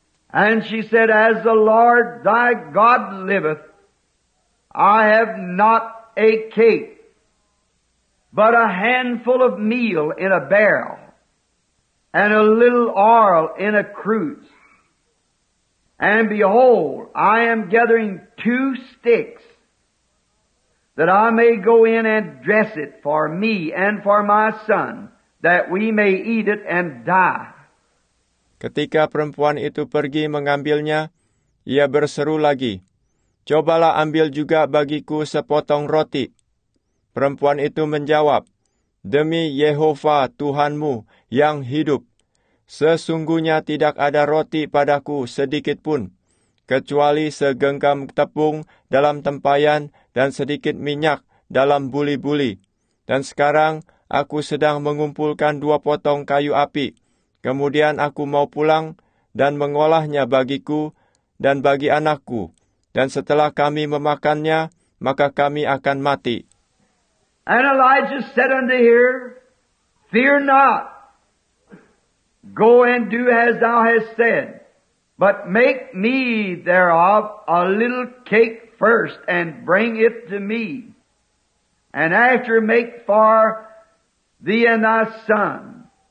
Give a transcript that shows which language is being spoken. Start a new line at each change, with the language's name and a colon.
English: And she said, As the Lord thy God liveth, I have not a cake, but a handful of meal in a barrel, and a little oil in a cruse. And behold, I am gathering two sticks, that I may go in and dress it for me and for my son, that we may eat it and die.
Indonesian: Ketika perempuan itu pergi mengambilnya, ia berseru lagi, Cobalah ambil juga bagiku sepotong roti. Perempuan itu menjawab, Demi Yehova Tuhanmu yang hidup, sesungguhnya tidak ada roti padaku sedikitpun, kecuali segenggam tepung dalam tempayan dan sedikit minyak dalam buli-buli. Dan sekarang aku sedang mengumpulkan dua potong kayu api. Kemudian aku mau pulang dan mengolahnya bagiku dan bagi anakku. Dan setelah kami memakannya, maka kami akan mati.
English: And Elijah said unto her, Fear not, go and do as thou hast said, but make me thereof a little cake first, and bring it to me, and after make for thee and thy son.